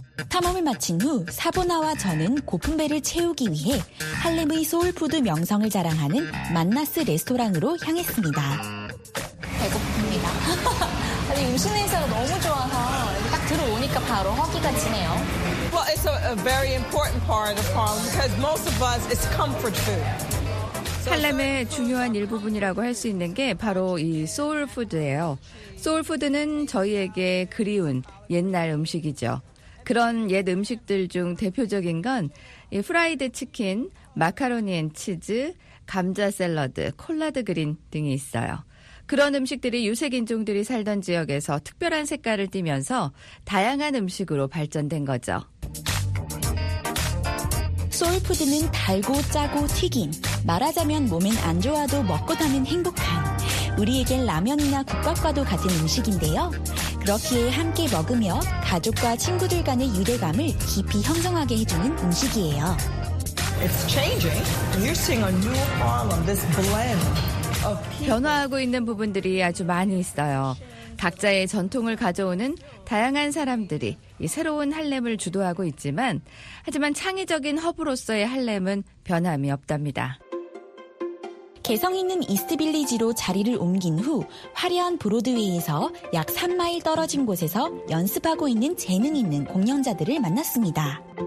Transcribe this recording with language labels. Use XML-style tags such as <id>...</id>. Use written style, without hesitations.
<ko>탐험을 마친 후 사보나와 저는 고픈 배를 채우기 위해 할렘의 소울푸드 명성을 자랑하는 만나스 레스토랑으로 향했습니다. 배고픕니다. 아니, 음식 냄새가 너무 좋아서 딱 들어오니까 바로 허기가 지네요.</ko> <en>Well, it's a very important part of Harlem because most of us, it's comfort food.</en> <ko>할렘의 중요한 일부분이라고 할 수 있는 게 바로 이 소울푸드예요. 소울푸드는 저희에게 그리운 옛날 음식이죠. 그런 옛 음식들 중 대표적인 건 이 프라이드 치킨, 마카로니 앤 치즈, 감자 샐러드, 콜라드 그린 등이 있어요. 그런 음식들이 유색인종들이 살던 지역에서 특별한 색깔을 띠면서 다양한 음식으로 발전된 거죠. 소울푸드는 달고 짜고 튀김. 말하자면 몸엔 안 좋아도 먹고 나면 행복한. 우리에겐 라면이나 국밥과도 같은 음식인데요. 그렇기에 함께 먹으며 가족과 친구들 간의 유대감을 깊이 형성하게 해주는 음식이에요.</ko> <en>It's changing. You're seeing a new Harlem, this blend of people.</en> <ko>변화하고 있는 부분들이 아주 많이 있어요. 각자의 전통을 가져오는 다양한 사람들이 이 새로운 할렘을 주도하고 있지만 하지만 창의적인 허브로서의 할렘은 변함이 없답니다. 개성 있는 이스트 빌리지로 자리를 옮긴 후 화려한 브로드웨이에서 약 3마일 떨어진 곳에서 연습하고 있는 재능 있는 공연자들을 만났습니다.</ko>